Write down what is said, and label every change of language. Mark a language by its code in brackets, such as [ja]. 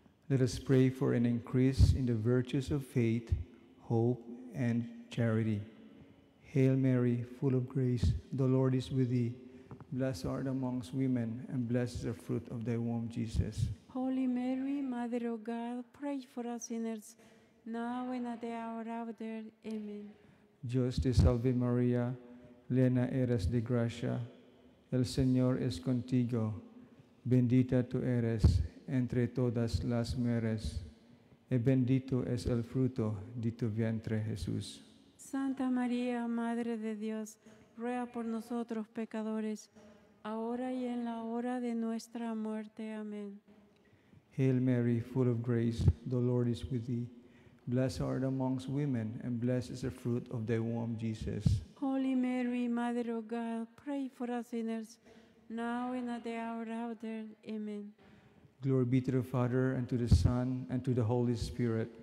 [en] Let us pray for an increase in the virtues of faith, hope, and charity. Hail Mary, full of grace, the Lord is with thee. Blessed art amongst women, and blessed is the fruit of thy womb, Jesus. Holy Mary, Mother of God, pray for us sinners, now and at the hour of our death. Amen. [es] Dios te salve María, llena eres de gracia, el Señor es contigo, bendita tú eres entre todas las mujeres, y bendito es el fruto de tu vientre, Jesús. Santa María, Madre de Dios, ruega por nosotros pecadores, ahora y en la hora de nuestra muerte. Amén. [en] Hail Mary, full of grace, the Lord is with thee. Blessed art thou amongst women, and blessed is the fruit of thy womb, Jesus. Holy Mary, Mother of God, pray for us sinners, now and at the hour of our death. Amen. Glory be to the Father, and to the Son, and to the Holy Spirit.